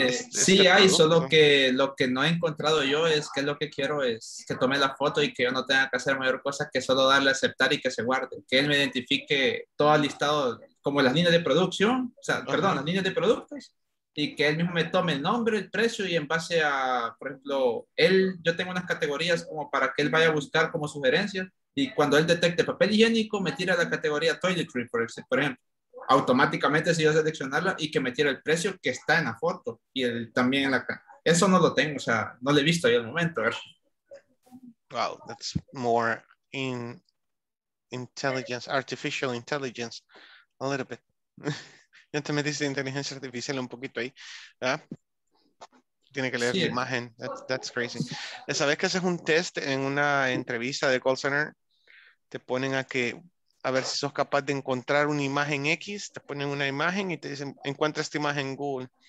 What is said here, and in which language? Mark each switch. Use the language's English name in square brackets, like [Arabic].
[Spanish] Sí hay, solo que lo que no he encontrado yo es que lo que quiero es que tome la foto y que yo no tenga que hacer mayor cosa que solo darle a aceptar y que se guarde, que él me identifique todo el listado, como las líneas de producción, o sea, perdón, las líneas de productos, y que él mismo me tome el nombre, el precio, y en base a, por ejemplo, él, yo tengo unas categorías como para que él vaya a buscar como sugerencias, y cuando él detecte papel higiénico, me tira la categoría toiletry, por ejemplo. Automáticamente si yo seleccionarla y que metiera el precio que está en la foto y el, también en la eso no lo tengo, o sea, no lo he visto ahí al momento. [English] Wow, that's more in intelligence, artificial intelligence, a little bit. [Spanish] Ya te metiste inteligencia artificial un poquito ahí, ¿verdad? Tiene que leer sí, la imagen, [English] that's crazy. [Spanish] ¿Sabes que haces un test en una entrevista de call center? Te ponen a que a ver si sos capaz de encontrar una imagen X, te ponen una imagen y te dicen, encuentra esta imagen en Google.